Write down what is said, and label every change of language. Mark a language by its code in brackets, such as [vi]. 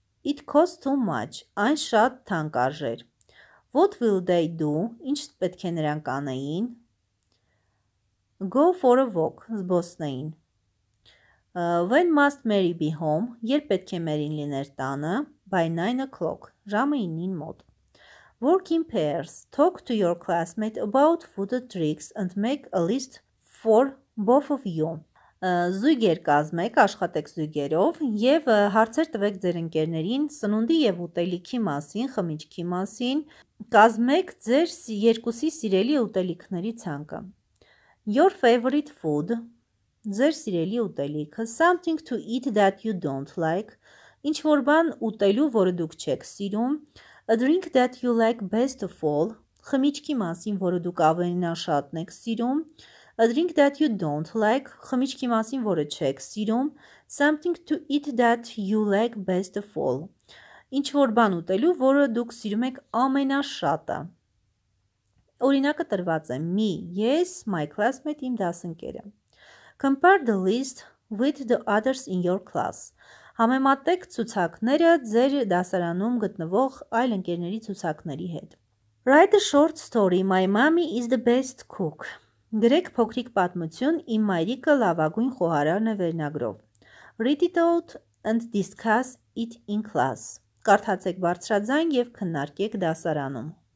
[en] It costs too much. [hy] Այն շատ թանկարժ էր. [en] What will they do? [hy] Ինչ պետք է նրանք անեին? [en] Go for a walk. [hy] Զբոսնեին. [en] When must Mary be home? [hy] Երբ պետք է Մերին լիներ տանը? [en] By 9 o'clock. [hy] Ժամը 9-ին մոտ. [en] Work in pairs. Talk to your classmate about food and drinks and make a list for both of you. [hy] Զույգեր կազմեք, աշխատեք զույգերով եւ հարցեր տվեք ձեր ընկերներին սնունդի եւ ուտելիքի մասին, խմիչքի մասին, կազմեք ձեր երկուսի սիրելի ուտելիքների ցանկը. [en] Your favorite food. [hy] Ձեր սիրելի ուտելիքը. [en] Something to eat that you don't like. [hy] Ինչ որ բան ուտելու, որը դուք չեք սիրում, [en] a drink that you like best of all, [hy] խմիչքի մասին, որը դուք ավելինաշատն եք սիրում, [en] a drink that you don't like, [hy] խմիչքի մասին, որը չեք սիրում, [en] something to eat that you like best of all, [hy] ինչ որ բան ուտելու, որը դուք սիրում եք ամենաշատը։ Օրինակը տրված է. [en] Me, yes, my classmate, [hy] իմ դասընկերը. [en] Compare the list with the others in your class. [hy] Համեմատեք ցուցակները ձեր դասարանում գտնվող այլ ընկերների ցուցակների հետ. [en] Write a short story. My mommy is the best cook. [hy] Գրեք փոքրիկ պատմություն, իմ մայրիկը լավագույն խոհարարն է վերնագրով. [en] Read it out and discuss it in class. [hy] Կարդացեք բարձրաձայն և քննարկեք դասարանում։